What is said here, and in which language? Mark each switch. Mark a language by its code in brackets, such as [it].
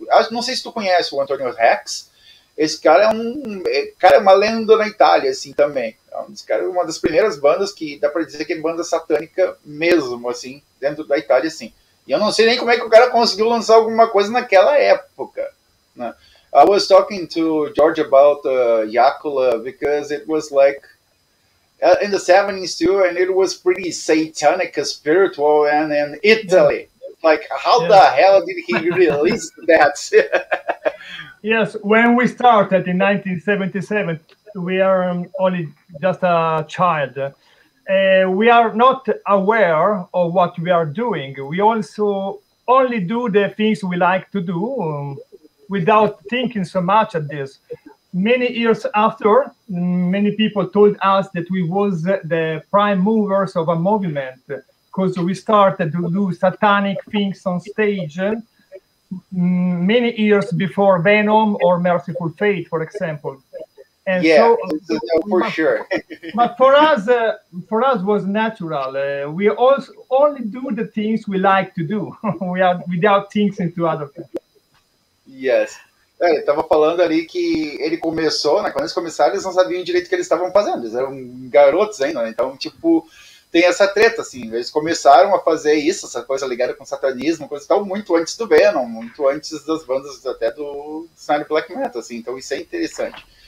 [pt] Não sei se tu conhece o Antonio Rex. Esse cara é uma lenda na Itália, assim, também. Esse cara é uma das primeiras bandas que dá pra dizer que é banda satânica mesmo, assim, dentro da Itália, assim. E eu não sei nem como é que o cara conseguiu lançar alguma coisa naquela época, né? [en] I was talking to George about Jácula, because it was like in the 70s too, and it was pretty satanic, spiritual, and in Italy. Like, how the hell did he release that? Yes, when we started in 1977, we are only just a child. We are not aware of what we are doing. We also only do the things we like to do without thinking so much at this. Many years after, many people told us that we was the prime movers of a movement because we started to do satanic things on stage. Many years before Venom or Merciful Fate, for example. And for sure. But for us was natural. We also only do the things we like to do. We are without thinking to other things. Yes. [pt] Ele estava falando ali que ele começou, né? Quando eles começaram, eles não sabiam direito o que eles estavam fazendo. Eles eram garotos ainda, né? Então, tipo, tem essa treta, assim, eles começaram a fazer isso, essa coisa ligada com satanismo, coisa tal, muito antes do Venom, muito antes das bandas até do Snyder Black Metal, assim, então isso é interessante.